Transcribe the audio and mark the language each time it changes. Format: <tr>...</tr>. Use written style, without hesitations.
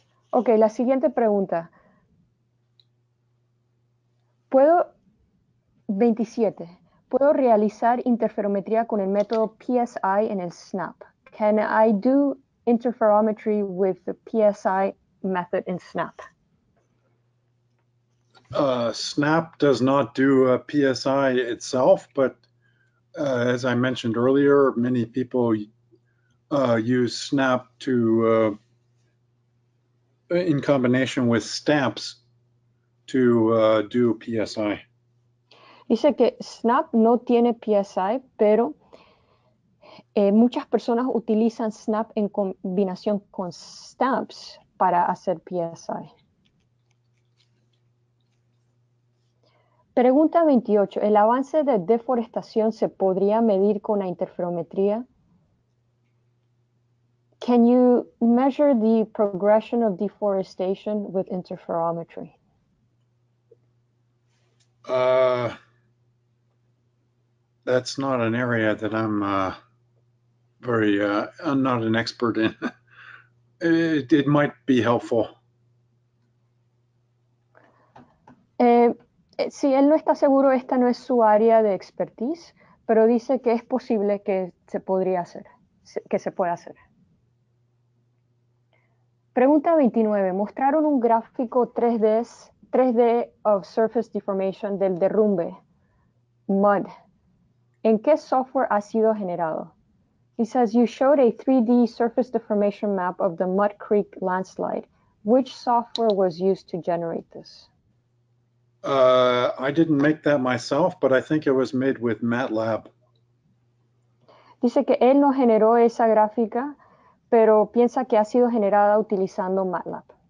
<es>Ok, la siguiente pregunta. 27. ¿Puedo realizar interferometría con el método PSI en el SNAP?</es> <en>Can I do interferometry with the PSI method in SNAP? SNAP does not do a PSI itself, but as I mentioned earlier, many people use SNAP to in combination with stamps to do PSI.</en> <es>Dice que SNAP no tiene PSI, pero muchas personas utilizan SNAP en combinación con stamps para hacer PSI. Pregunta 28. ¿El avance de deforestación se podría medir con la interferometría?</es> <en>Can you measure the progression of deforestation with interferometry? That's not an area that I'm not an expert in. It might be helpful.</en> <es>Si él no está seguro, esta no es su área de expertise, pero dice que es posible que se podría hacer, que se pueda hacer. Pregunta 29. Mostraron un gráfico 3D</es> <en>of surface deformation</en> <es>del derrumbe, mud. ¿En qué software ha sido generado?</es> <en>He says, you showed a 3D surface deformation map of the Mud Creek landslide. Which software was used to generate this? I didn't make that myself, but I think it was made with MATLAB.</en> <es>Dice que él no generó esa gráfica, pero piensa que ha sido generada utilizando MATLAB.</es>